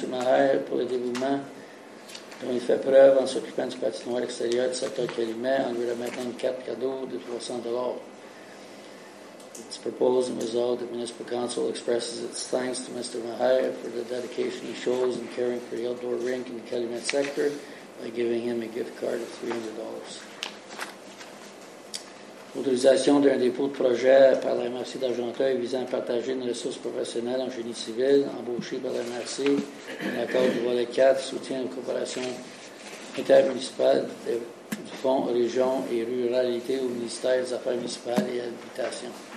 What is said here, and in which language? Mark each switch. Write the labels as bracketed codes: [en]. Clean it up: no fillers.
[fr] Maher pour le dévouement dont il fait preuve en s'occupant du patinoire extérieur du secteur Calumet en lui remettant 4 cadeaux de 300 $. [en] It's proposed and resolved that the municipal council expresses its thanks to Mr. Maher for the dedication he shows in caring for the outdoor rink in the Calumet sector by giving him a gift card of $300. [fr] Autorisation d'un dépôt de projet par la MRC d'Argenteuil visant à partager une ressource professionnelle en génie civil embauchée par la MRC en accord du volet 4, soutien aux coopérations intermunicipales du Fonds Région et Ruralité au ministère des Affaires municipales et Habitation.